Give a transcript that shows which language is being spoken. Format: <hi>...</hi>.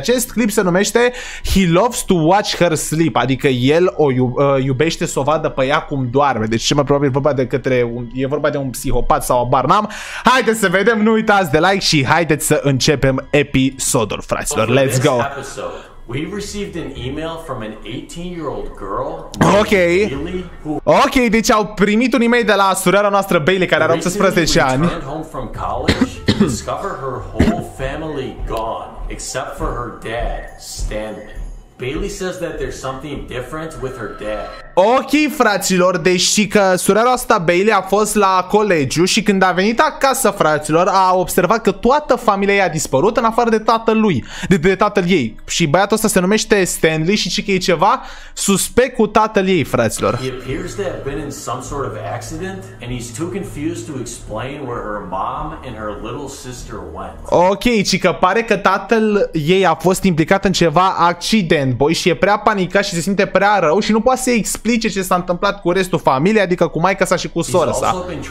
<ro>Acest clip se numește He Loves to Watch Her Sleep, adică el o iubește să o vadă pe ea cum doarme. Deci ce mai probabil e vorba de un psihopat sau abar n-am. Haideți să vedem, nu uitați de like și haideți să începem episodul, fraților.</ro> <en>Let's go. We received an email from an 18-year-old girl. Okay.</en> <ro>Ok, deci au primit un email de la surora noastră Bailey, care are 18 ani.</ro> <en>Home from college, discover her whole family gone except for her dad, Stanley. Bailey says that there's something different with her dad.</en> <ro>Ok, fraților, deși că surora asta Bailey a fost la colegiu și când a venit acasă, fraților, a observat că toată familia i-a dispărut în afară de tatăl ei. Și băiatul ăsta se numește Stanley și zice că e ceva suspect cu tatăl ei, fraților.</ro> <en>He appears to have been in some sort of accident and he's too confused to explain where her mom and her little sister went.</en> <ro>Ok, și că pare că tatăl ei a fost implicat în ceva accident, boy, și e prea panicat și se simte prea rău și nu poate să explice ce s-a întâmplat cu restul familiei, adică cu maica sa și cu sora sa.</ro>